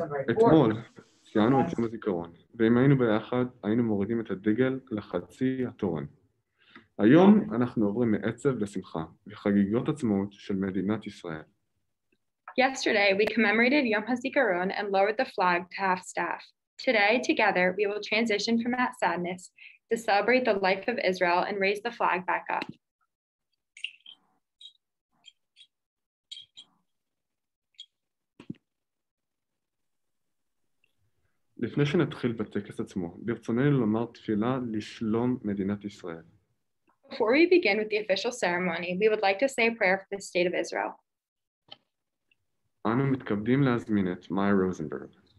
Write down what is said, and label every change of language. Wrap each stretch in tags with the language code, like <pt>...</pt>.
<he>אתמול ציינו את יום הזיכרון, ואם היינו ביחד, היינו מורידים את הדגל לחצי התורן. היום אנחנו עוברים מעצב לשמחה, לחגיגות עצמאות של מדינת ישראל.</he> <en>Yesterday we commemorated Yom HaZikaron and lowered the flag to half staff. Today together we will transition from that sadness to celebrate the life of Israel and raise the flag back up.</en> <he>לפני שנתחיל בטקס עצמו, ברצוננו לומר תפילה לשלום מדינת ישראל.</he> <en>Before we begin with the official ceremony, we would like to say a prayer for the state of Israel.</en> <he>אנו מתכבדים להזמין את מאיה רוזנברג.</he>